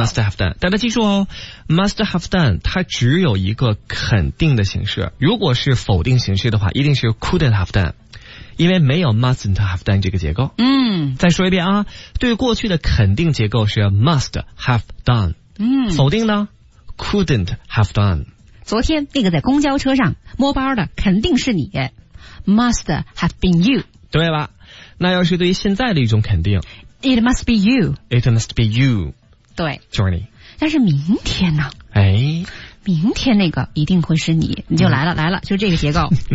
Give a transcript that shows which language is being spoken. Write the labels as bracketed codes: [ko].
[en] must have done， [zh] 大家记住哦， must have done 它只有一个肯定的形式，如果是否定形式的话，一定是 [en] couldn't have done。 [zh] 因为没有 mustn't have done 这个结构。嗯，再说一遍啊，对过去的肯定结构是 [en] must have done。 [zh] 嗯，否定呢 [en] couldn't have done。 [zh] 昨天那个在公交车上摸包的肯定是你， [en] must have been you。 [zh] 对了，那要是对于现在的一种肯定， [en] it must be you。 it must be you。 [zh] 对， Johnny。但是明天呢？哎，明天那个一定会是你，你就来了。嗯，来了，就这个结构。